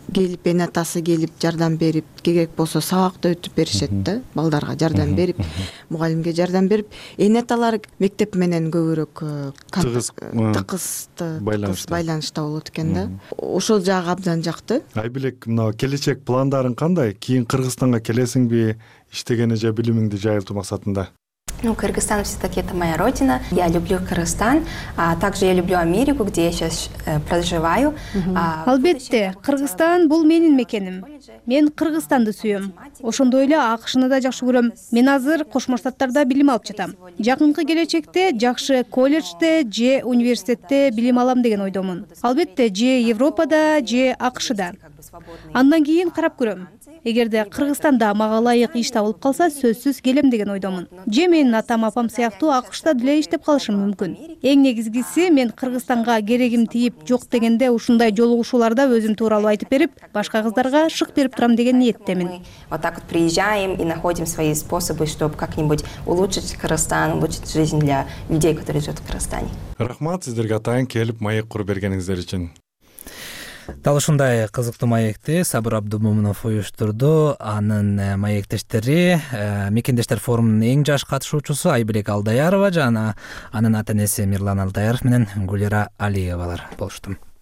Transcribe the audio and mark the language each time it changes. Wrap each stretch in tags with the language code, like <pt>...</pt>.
<ky>Келип эне атасы келип жардам берип, керек болсо сабакты өтүп беришет да балдарга жардам берип, мугалимге жардам берип, эне аталар мектеп менен көбүрөөк тыгыз байланышта болот экен да. Ошол жагы абдан жакты. Айбилек, мына келечек пландарың кандай? Кийин Кыргызстанга келесиңби, иштегени же билимиңди жайылтуу максатында?</ky> <ru>Кыргызстан все-таки это моя родина. Я люблю Кыргызстан. А также я люблю Америку, где я сейчас проживаю.</ru> <ky>Албетте, Кыргызстан бул менин мекеним. Мен Кыргызстанды сүйөм. Ошондой эле АКШ-ны да жакшы көрөм. Мен азыр Кошмо Штаттарда билим алып жатам. Жакынкы келечекте жакшы коллежде же университетте билим алам деген ойдомун. Албетте, же Европада, же АКШ-да. Андан кийин карап көрөм. Эгерде Кыргызстанда мага ылайык иш табылып калса, сөзсүз келем деген ойдомун. Же менин атам-апам сыяктуу АКШта деле иштеп калышым мүмкүн. Эң негизгиси, мен Кыргызстанга керегим тийип жок дегенде ушундай жолугушууларда өзүм тууралуу айтып берип, башка кыздарга шык берип турам деген ниеттемин.</ky> <ru>Вот так вот приезжаем и находим свои способы, чтобы как-нибудь улучшить Кыргызстан, улучшить жизнь для людей, которые живут в Кыргызстане.</ru> <ky>Рахмат сиздерге атайын келип маек куруп бергениңиздер үчүн. Дал ушундай кызыктуу маекти Сабыр Абдумуминов уюштурду. Анын маектештери мекендештер форумунун эң жаш катышуучусу Айбек Алдаярова жана анын ата-энеси Мирлан Алдаяров менен Гүлира Алиевалар болушту.</ky>